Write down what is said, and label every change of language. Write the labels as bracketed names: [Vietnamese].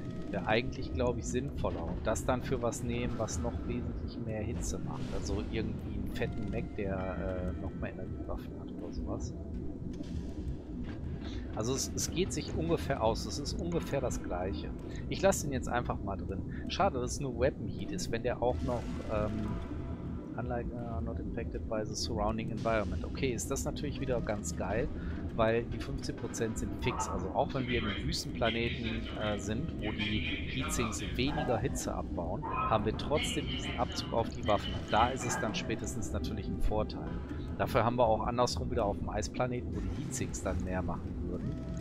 [German] Wäre eigentlich, glaube ich, sinnvoller. Und das dann für was nehmen, was noch wesentlich mehr Hitze macht. Also irgendwie einen fetten Mech, der noch mehr Energiewaffen hat oder sowas. Also es geht sich ungefähr aus. Es ist ungefähr das Gleiche. Ich lasse ihn jetzt einfach mal drin. Schade, dass es nur Weapon Heat ist, wenn der auch noch... [English] Unlike not impacted by the surrounding environment. [German] Okay, ist das natürlich wieder ganz geil, weil die 15% sind fix. Also auch wenn wir im Wüstenplaneten sind, wo die Heatsinks weniger Hitze abbauen, haben wir trotzdem diesen Abzug auf die Waffen. Da ist es dann spätestens natürlich ein Vorteil. Dafür haben wir auch andersrum wieder auf dem Eisplaneten, wo die Heatsinks dann mehr machen würden.